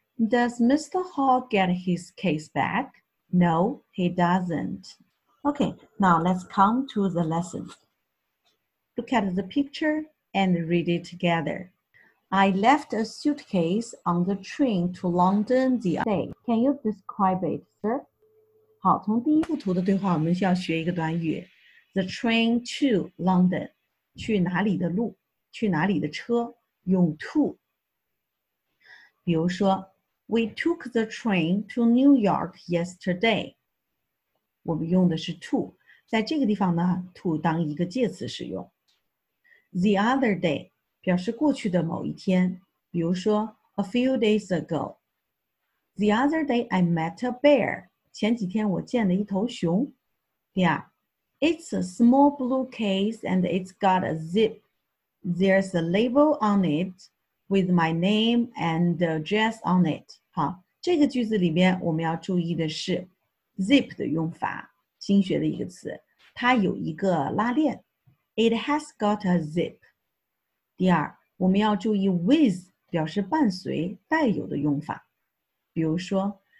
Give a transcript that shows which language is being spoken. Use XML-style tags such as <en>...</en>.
<en>Does Mr. Hall get his case back? No, he doesn't. Okay, now let's come to the lesson. Look at the picture and read it together. I left a suitcase on the train to London the other day. Can you describe it, sir?</en> <zh>好，从第一幅图的对话，我们需要学一个短语。</zh> <en>The train to London，</en> <zh>去哪里的路，去哪里的车，用 to。比如说</zh> <en>，We took the train to New York yesterday。</en> <zh>我们用的是 to， 在这个地方呢 ，to 当一个介词使用。</zh> <en>The other day</en> <zh>表示过去的某一天，比如说</zh> <en>A few days ago。 The other day I met a bear。</en> <zh>前几天我见了一头熊。第二</zh> <en>，It's a small blue case and it's got a zip. There's a label on it with my name and address on it.</en> <zh>好，这个句子里面我们要注意的是 zip 的用法，新学的一个词，它有一个拉链。</zh> <en>It has got a zip.</en> <zh>第二，我们要注意 with 表示伴随、带有的用法，比如说。</zh>